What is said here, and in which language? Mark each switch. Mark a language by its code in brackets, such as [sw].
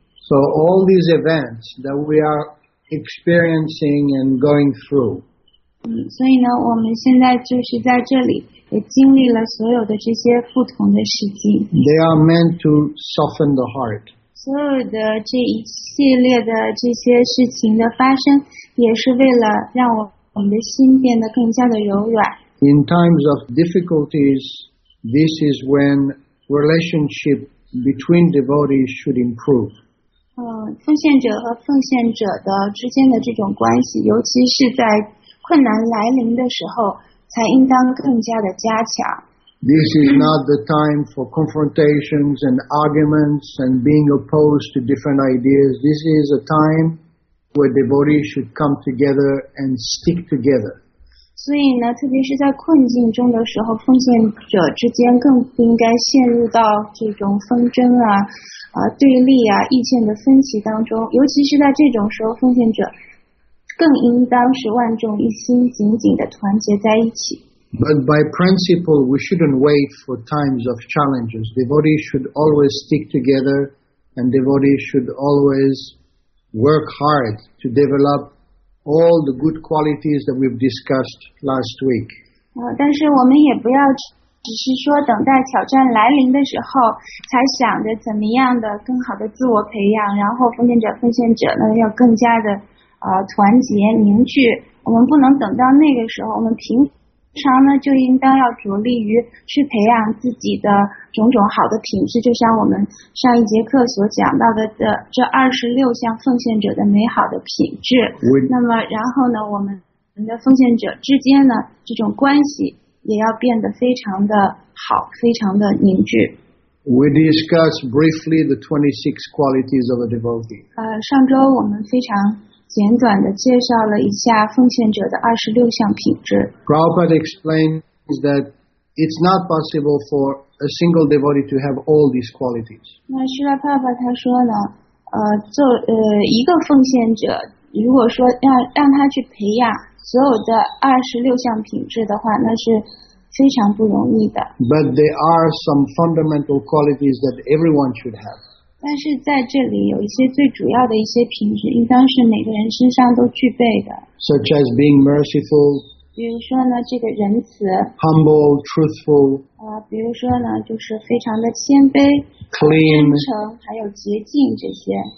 [en] So all these events that we are experiencing and going through. [zh] 所以呢，我们现在就是在这里。也经历了所有的这些不同的事情。 [en] They are meant to soften the heart. [zh] 所有的这一系列的这些事情的发生，也是为了让我们的心变得更加的柔软。 [en] In times of difficulties, this is when relationship between devotees should improve. [zh] 奉献者和奉献者的之间的这种关系，尤其是在困难来临的时候。才应当更加的加强。 [en] This is not the time for confrontations and arguments and being opposed to different ideas. This is a time where devotees should come together and stick together. [zh] 所以呢，特别是在困境中的时候，奉献者之间更不应该陷入到这种纷争啊对立啊、意见的分歧当中。尤其是在这种时候，奉献者。更应当是万众一心，紧紧地团结在一起。 [en] But by principle, we shouldn't wait for times of challenges. Devotees should always stick together, and devotees should always work hard to develop all the good qualities that we've discussed last week. [zh] 但是我们也不要只是说等待挑战来临的时候，才想着怎么样的更好的自我培养，然后奉献者呢要更加的。团结凝聚，我们不能等到那个时候。我们平常呢，就应当要着力于去培养自己的种种好的品质，就像我们上一节课所讲到的这26项奉献者的美好的品质。那么，然后呢，我们的奉献者之间呢，这种关系也要变得非常的好，非常的凝聚。 [en] We discussed briefly the 26 qualities of a devotee. [zh] 上周我们非常简短地介绍了一下奉献者的26项品质。 [en] Prabhupada explains that it's not possible for a single devotee to have all these qualities. [zh] 那Srila Prabhupada他说呢，一个奉献者如果说让他去培养所有的26项品质的话，那是非常不容易的。 [en] But there are some fundamental qualities that everyone should have. [zh] 但是在这里有一些最主要的一些品质，应当是每个人身上都具备的。 [en] Such as being merciful. [zh] 比如说呢，这个仁慈。 [en] Humble, truthful. [zh] 比如说呢，就是非常的谦卑。 [en] Clean. [zh] 真诚，还有洁净这些。